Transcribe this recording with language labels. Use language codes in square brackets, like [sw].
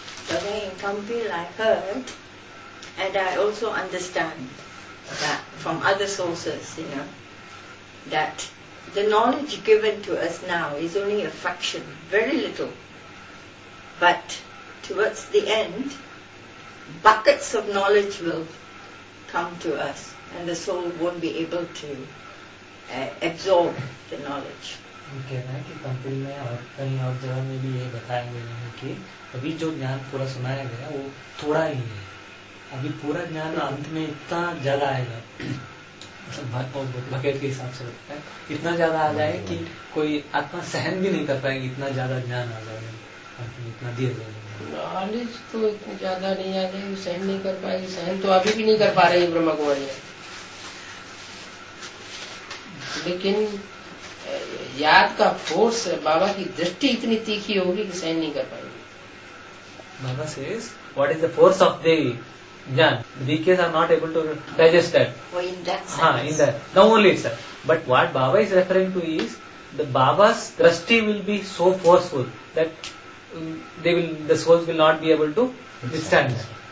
[en] In कंपील I heard and I also understand that from other sources, you know, that the knowledge given to us now is only a fraction, very little. But towards the end, buckets of knowledge will come to us and the soul won't be able to absorb the knowledge. [hi] कहना है कि कंपिल में और कहीं और जगह में भी यही बताया गया है कि अभी जो ज्ञान पूरा सुनाया गया वो थोड़ा ही है. अभी पूरा ज्ञान अंत में इतना ज्यादा आएगा मतलब बकेट के हिसाब से लगता है इतना ज्यादा आ जाए कि कोई आत्मा सहन भी नहीं कर पाएगी इतना ज्यादा ज्ञान आ जाएगा अंत में इतना दिया जाएगा. नॉलेज तो इतनी ज्यादा नहीं आ जाएगी सहन नहीं कर पाएगी. सहन तो अभी भी नहीं कर पा रही ब्रह्मा कुमारी लेकिन याद का फोर्स बाबा की दृष्टि इतनी तीखी होगी कि सहन नहीं कर पाएगी. [en] Baba says, what is the force of the jnana? Vikas are not able to digest that. Oh, in that sense. In that. Now only it's that. But what Baba is referring to is, the Baba's drashti will be so forceful that they will, the souls will not be able to withstand that.